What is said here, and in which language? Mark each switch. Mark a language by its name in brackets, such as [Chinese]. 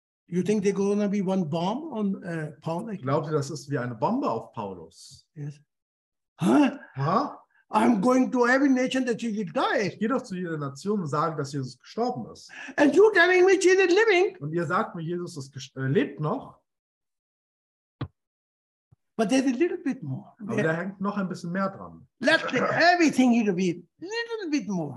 [English] You think they're gonna be one bomb on Paul? [German] Glaubt ihr, das ist wie eine Bombe auf Paulus? [English] Yes. Huh? Huh? I'm going to every nation that Jesus died. [German] Ich gehe doch zu jeder Nation und sage, dass Jesus gestorben ist. [English] And you telling me Jesus living? [German] Und ihr sagt mir, Jesus lebt noch? [English] But there's a little bit more. [German] Aber da hängt noch ein bisschen mehr dran. [English] Let everything he revealed, little bit more.